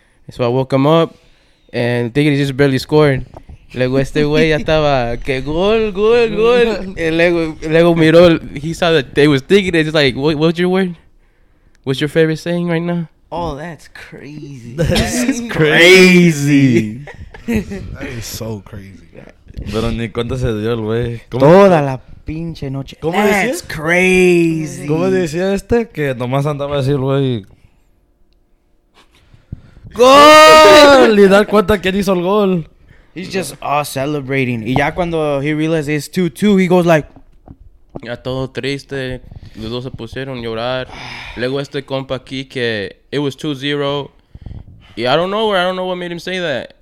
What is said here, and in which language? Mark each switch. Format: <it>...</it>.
<en>So I woke him up and Tigres just barely scored.</en> <es>Luego este güey ya estaba que gol, gol, gol. Y luego miró,</es> <en>he saw that they was Tigres. He's like, what's your word? What's your favorite saying right now? Oh, that's crazy. That's crazy. That is so crazy.</en> <es>Pero ni cuánto se dio el güey. Toda la pinche noche. ¿Cómo</es> <en>that's</en> <es>decía?</es> <en>Crazy.</en> <es>¿Cómo decía este? Que nomás andaba así el güey. ¡Gol! Y dar cuenta que hizo el gol.</es> <en>He's just celebrating.</en> <es>Y ya cuando</es> <en>he realizes it's 2-2, he goes like...</en> <es>Ya todo triste, los dos se pusieron a llorar. Luego este compa aquí que</es> <en>it was 2-0. Y I don't know what made him say that.</en>